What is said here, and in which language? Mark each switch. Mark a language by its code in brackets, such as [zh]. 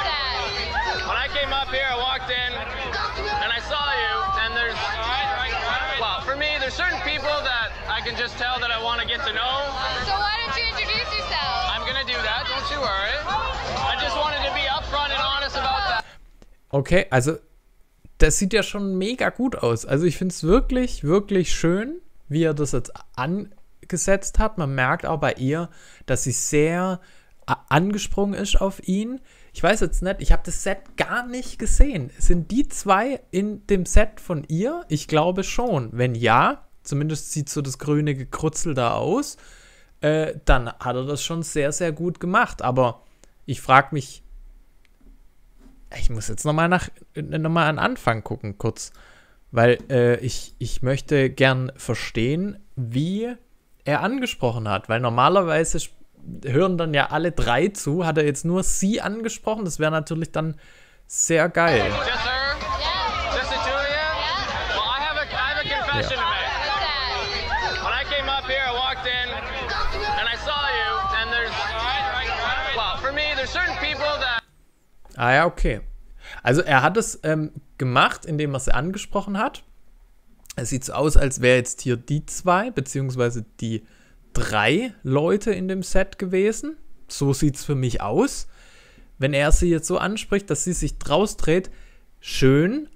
[en] When I came up here, I walked in and I saw you, and there's, well, for me, there's certain people that I can just tell that I want to get to know. So why don't you introduce yourself? I'm gonna do that, don't you worry. I just wanted to be upfront and honest about that. [de] Okay, also das sieht ja schon mega gut aus. Also ich finde es wirklich, wirklich schön, wie er das jetzt angesetzt hat. Man merkt auch bei ihr, dass sie sehr angesprungen ist auf ihn. Ich weiß jetzt nicht, ich habe das Set gar nicht gesehen. Sind die zwei in dem Set von ihr? Ich glaube schon. Wenn ja, zumindest sieht so das grüne Gekrutzel da aus, dann hat er das schon sehr, sehr gut gemacht. Aber ich frage mich, ich muss jetzt nochmal an Anfang gucken, kurz. Weil ich möchte gern verstehen, wie er angesprochen hat, weil normalerweise hören dann ja alle 3 zu. Hat er jetzt nur sie angesprochen? Das wäre natürlich dann sehr geil. [en] Just her? Yeah. Just the two of you? Yeah. Well, I have a confession to make. When I came up here, I walked in and I saw you, and there's, well, for me, there's certain people that. [de] Ah ja, okay. Also er hat es gemacht, indem er sie angesprochen hat. Es sieht so aus, als wäre jetzt hier die 2 beziehungsweise die 3 Leute in dem Set gewesen. So sieht es für mich aus. Wenn er sie jetzt so anspricht, dass sie sich draus dreht, schön.